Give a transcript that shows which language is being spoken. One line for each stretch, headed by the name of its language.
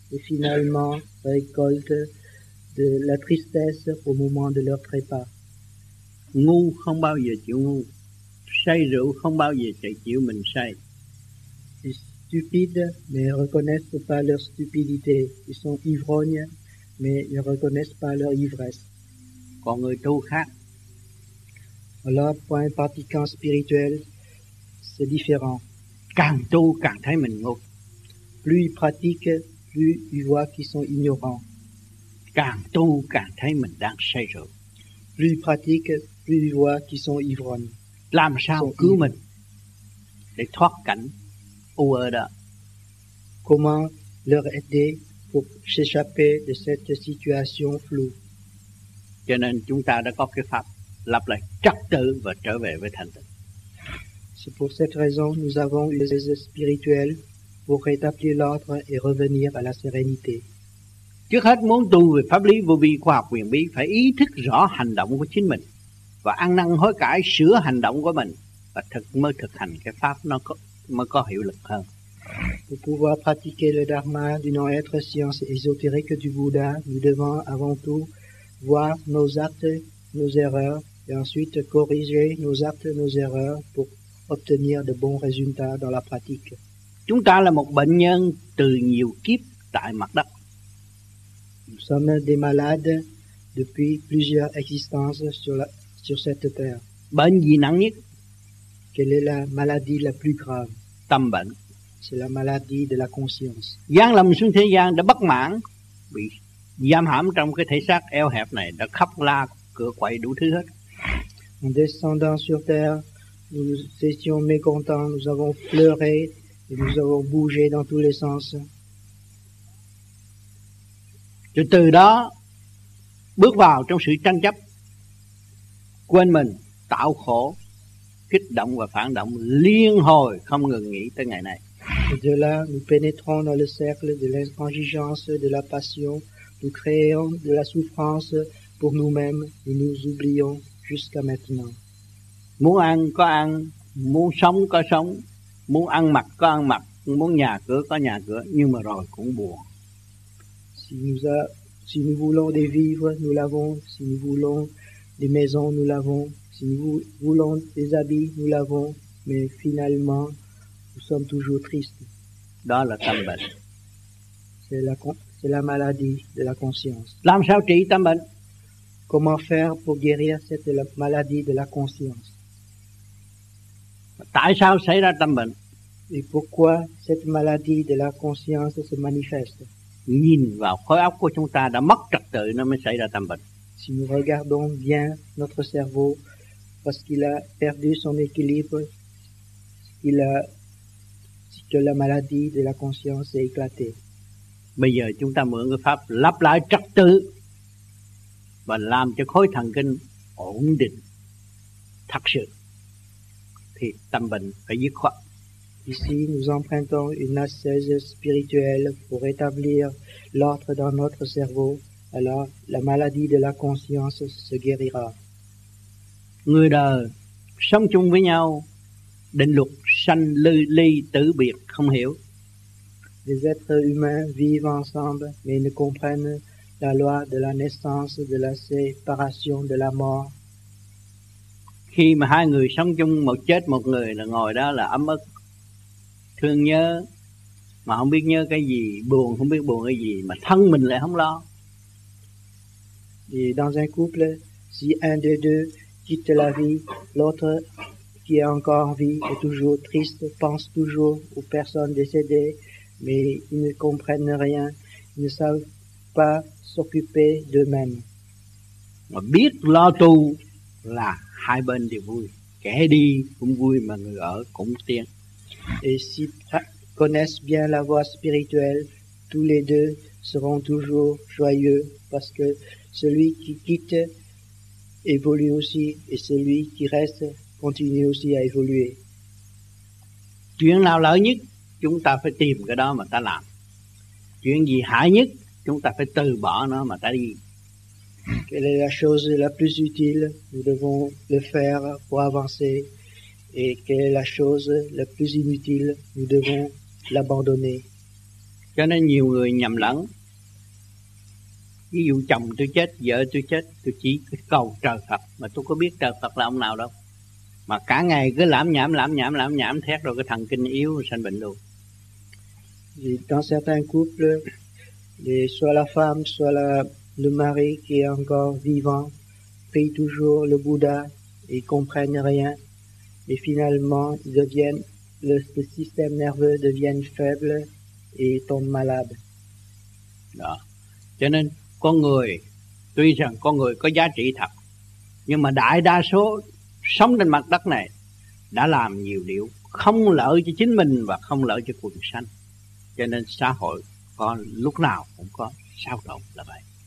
French: Et finalement récolte de la tristesse au moment de leur trépas.
Vietnamese: Ngu không bao giờ chịu ngu, say rượu không bao giờ chịu mình say.
French: Ils sont stupides, mais ne reconnaissent pas leur stupidité. Ils sont ivrognes, mais ne reconnaissent pas leur ivresse.
Vietnamese: Còn người tu khác.
French: Alors, pour un pratiquant spirituel, c'est différent.
Vietnamese: Càng tu càng thấy mình ngu.
French: Plus ils pratiquent, plus ils voient qu'ils sont ignorants.
Vietnamese: Càng tu càng thấy mình đang say rượu.
French: Plus ils pratiquent, plus ils voient qu'ils sont ivrognes.
Vietnamese: Làm sao cứu mình để thoát cảnh u ơ đó?
French: Comment leur aider pour s'échapper de cette situation floue?
Vietnamese: Cho nên chúng ta đã có cái pháp lập lại trật tự và trở về với thanh tịnh.
French: C'est pour cette raison nous avons les aides spirituelles pour rétablir l'ordre et revenir à la sérénité.
Vietnamese: Trước hết muốn tu về pháp lý vô vi khoa học quyền bí phải ý thức rõ hành động của chính mình và ăn năn hối cải sửa hành động của mình và thực mới thực hành cái pháp nó có, mới có hiệu lực hơn.
French: Pour pouvoir pratiquer le dharma du non-être science ésotérique du Bouddha, nous devons avant tout voir nos actes, nos erreurs et ensuite corriger nos actes, nos erreurs pour obtenir de bons résultats dans la pratique.
Vietnamese: Chúng ta là một bệnh nhân từ nhiều kiếp tại mặt đất.
French: Nous sommes des malades depuis plusieurs existences sur cette terre.
Vietnamese: Bệnh gì nặng nhất?
French: Quelle est la maladie la plus grave?
Vietnamese: Tâm bệnh.
French: C'est la maladie de la conscience.
Vietnamese: Gian lầm xuống thế gian đã bất mãn, bị giam hãm trong cái thể xác eo hẹp này, đã khóc la cửa quậy đủ thứ hết.
French: En descendant sur terre, nous étions mécontents, nous avons pleuré et nous avons bougé dans tous les sens.
Vietnamese: Rồi từ đó bước vào trong sự tranh chấp, quên mình, tạo khổ, kích động và phản động liên hồi không ngừng nghỉ tới ngày này.
French: Et de là, nous pénétrons dans le cercle de l'intransigeance, de la passion, nous créons de la souffrance pour nous-mêmes et nous oublions jusqu'à maintenant.
Vietnamese: Muốn ăn có ăn, muốn sống có sống, muốn ăn mặc có ăn mặc, muốn nhà cửa có nhà cửa, nhưng mà rồi cũng buồn.
French: Si nous voulons des vivres, nous l'avons. Si nous voulons des maisons, nous l'avons. Si nous voulons des habits, nous l'avons. Mais finalement, nous sommes toujours tristes.
Vietnamese: Đó là tâm bệnh.
French: C'est la maladie de la conscience.
Vietnamese: Làm sao trị tâm bệnh?
French: Comment faire pour guérir cette maladie de la conscience?
Vietnamese: Tại sao xảy ra tâm bệnh?
French: Et pourquoi cette maladie de la conscience se manifeste?
Vietnamese: Nhìn vào khối óc của chúng ta đã mất trật tự nó mới xảy ra tâm bệnh.
French: Si nous regardons bien notre cerveau, parce qu'il a perdu son équilibre, que la maladie de la conscience est éclatée.
Vietnamese: Bây giờ chúng ta mượn cái pháp lắp lại trật tự và làm cho khối thần kinh ổn định thật sự thì tâm bệnh phải dứt khoát.
French: Ici, nous empruntons une ascèse spirituelle pour rétablir l'ordre dans notre cerveau. Alors, la maladie de la conscience se guérira.
Vietnamese: Người đời sống chung với nhau, định luật sanh ly tử biệt không hiểu.
French: Les êtres humains vivent ensemble, mais ils ne comprennent la loi de la naissance, de la séparation, de la mort.
Vietnamese: Khi mà hai người sống chung, một chết một người là ngồi đó là ấm ức. Thương nhớ mà không biết nhớ cái gì, buồn không biết buồn cái gì, mà thân mình lại không lo.
French: Et dans un couple, si un des deux quitte la vie, l'autre qui est encore en vie est toujours triste, pense toujours aux personnes décédées, mais ils ne comprennent rien, ils ne savent pas s'occuper d'eux-mêmes.
Vietnamese: Mà biết lo tu là hai bên đều vui, kẻ đi cũng vui mà người ở cũng tiếng.
French: Et s'ils connaissent bien la voie spirituelle, tous les deux seront toujours joyeux parce que celui qui quitte évolue aussi et celui qui reste continue aussi à évoluer.
Vietnamese: Chuyện nào lợi nhất, chúng ta phải tìm cái đó mà ta làm. Chuyện gì hại nhất, chúng ta phải từ bỏ nó mà ta đi.
French: Quelle est la chose la plus utile, nous devons le faire pour avancer. Et quelle est la chose la plus inutile, nous devons l'abandonner.
Vietnamese: Cho nên nhiều người nhầm lẫn. Ví dụ chồng tôi chết, vợ tôi chết, tôi chỉ cầu trời Phật, mà tôi có biết trời Phật là ông nào đâu. Mà cả ngày cứ lãm nhảm thét rồi cái thần kinh yếu, sanh bệnh luôn.
French: Dans certains couples, soit la femme, soit le mari qui est encore vivant, prie toujours le Bouddha et comprennent rien. Et finalement, le système nerveux devient faible et tombe malade.
Vietnamese: Đó. Cho nên, con người, tuy rằng con người có giá trị thật, nhưng mà đại đa số sống trên mặt đất này đã làm nhiều điều không lợi cho chính mình và không lợi cho quần sanh. Cho nên xã hội có lúc nào cũng có sao động là vậy.